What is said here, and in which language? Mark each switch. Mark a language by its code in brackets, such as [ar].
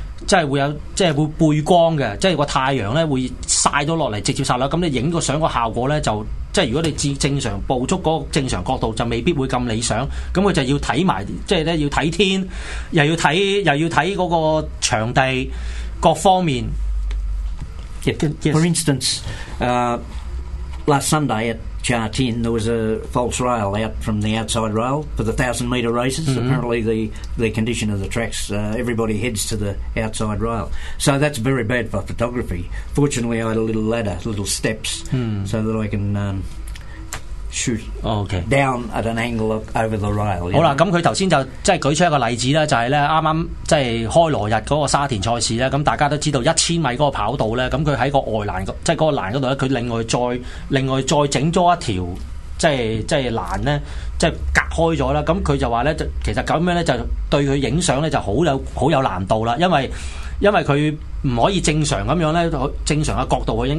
[yue] 即係會有，即係會背光嘅，即係個太陽咧會曬咗落嚟，直接曬落，咁你影個相個效果咧就，即係如果你正常捕捉嗰個正常角度，就未必會咁理想。咁佢就要睇埋，即係咧要睇天，又要睇嗰個場地各方面。 [en] Yes. For instance, last Sunday at Chartin, there was a false rail out from the outside rail for the 1,000 metre races. Mm-hmm. Apparently, the condition of the tracks, everybody heads to the outside rail. So that's very bad for photography. Fortunately, I had a little ladder, little steps, so that I can shoot down at an angle over the rail. [yue] 好啦，咁佢头先就即系举出一个例子啦，就系咧啱啱即系开罗日嗰个沙田赛事咧，咁大家都知道1000米嗰个跑道咧，咁佢喺个外栏，即系嗰个栏嗰度咧，佢另外再整咗一条即系栏咧，即系隔开咗啦。咁佢就话咧，其实咁样咧就对佢影相咧就好有难度啦，因为佢唔可以正常咁样咧，正常嘅角度去影。